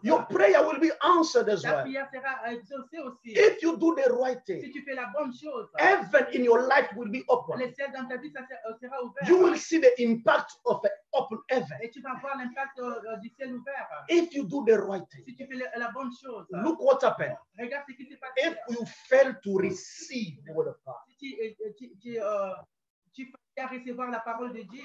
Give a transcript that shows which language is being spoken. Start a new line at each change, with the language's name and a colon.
English: your prayer will be answered as well.
French: Ta prière sera exaucée aussi.
English: If you do the right thing,
French: si tu fais la bonne chose,
English: heaven in your life will be open.
French: Le ciel dans ta vie ça sera ouvert.
English: You will see the impact of an open heaven.
French: Et tu vas voir l'impact du ciel ouvert.
English: If you do the right thing,
French: si tu fais la bonne chose,
English: look what happened.
French: Regarde ce qui s'est passé.
English: If you fail to receive the word of God,
French: si tu fais à recevoir la parole de Dieu.